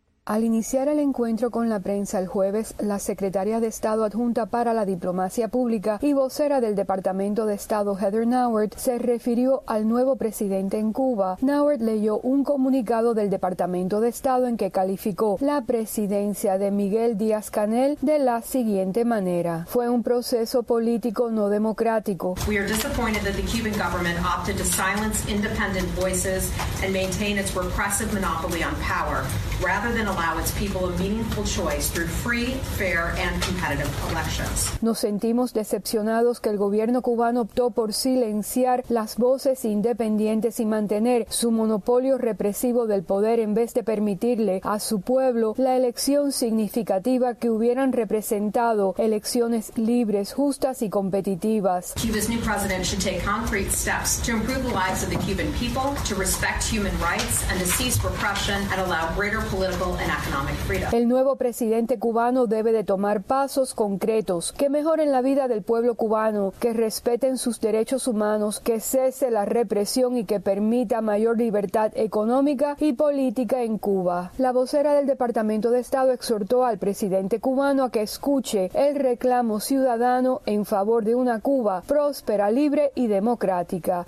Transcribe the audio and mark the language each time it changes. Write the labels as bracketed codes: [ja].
[es] Al iniciar el encuentro con la prensa el jueves, la secretaria de Estado adjunta para la diplomacia pública y vocera del Departamento de Estado, Heather Nauert, se refirió al nuevo presidente en Cuba. Nauert leyó un comunicado del Departamento de Estado en que calificó la presidencia de Miguel Díaz-Canel de la siguiente manera: fue un proceso político no democrático. [en] We are disappointed that the Cuban government opted to silence independent voices and maintain its repressive monopoly on power, rather than allow its people a meaningful choice through free, fair, and competitive elections. [es] Nos sentimos decepcionados que el gobierno cubano optó por silenciar las voces independientes y mantener su monopolio represivo del poder en vez de permitirle a su pueblo la elección significativa que hubieran representado elecciones libres, justas y competitivas. [en] Cuba's new president should take concrete steps to improve the lives of the Cuban people, to respect human rights, and to cease repression and allow greater political. [es] El nuevo presidente cubano debe de tomar pasos concretos que mejoren la vida del pueblo cubano, que respeten sus derechos humanos, que cese la represión y que permita mayor libertad económica y política en Cuba. La vocera del Departamento de Estado exhortó al presidente cubano a que escuche el reclamo ciudadano en favor de una Cuba próspera, libre y democrática.